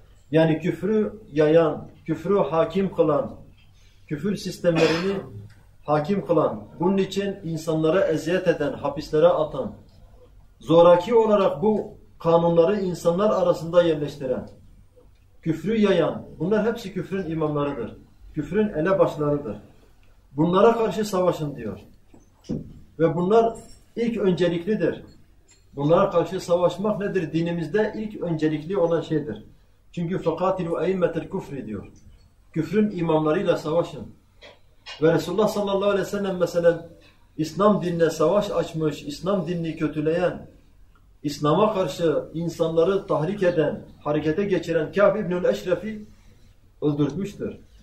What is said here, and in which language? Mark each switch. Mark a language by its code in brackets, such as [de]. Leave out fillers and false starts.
[tr] Yani küfrü yayan, küfrü hakim kılan, küfür sistemlerini hakim kılan, bunun için insanlara eziyet eden, hapislere atan, zoraki olarak bu kanunları insanlar arasında yerleştiren, küfrü yayan, bunlar hepsi küfrün imamlarıdır. Küfrün elebaşlarıdır. Bunlara karşı savaşın diyor. Ve bunlar ilk önceliklidir. Bunlara karşı savaşmak nedir? Dinimizde ilk öncelikli olan şeydir. Çünkü [ar] فَقَاتِلُوا اَيْمَّتِ الْكُفْرِ [tr] diyor. Küfrün imamlarıyla savaşın. Ve Resulullah sallallahu aleyhi ve sellem mesela İslam dinine savaş açmış, İslam dinini kötüleyen, İslam'a karşı insanları tahrik eden, harekete geçiren Kâb ibnül Eşref'i öldürtmüştür.